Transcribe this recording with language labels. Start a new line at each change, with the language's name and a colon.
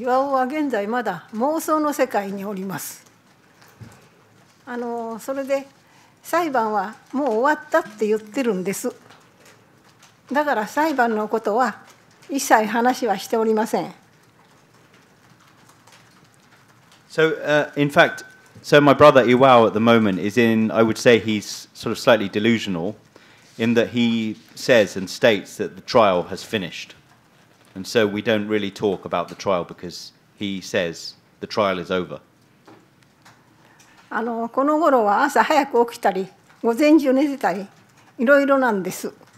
Japanese: 岩尾は現在まだ妄想の世界におります。それで裁判はもう終わったって言ってるんです。だから裁判のことは一切話はしておりません。
English: So, in fact, so my brother Iwao at the moment is in, I would say he's sort of slightly delusional in that he says and states that the trial has finished. And so we don't really talk about the trial because he says the trial is over.
Japanese: この頃は朝早く起きたり、午前中寝てたり、いろいろなんです。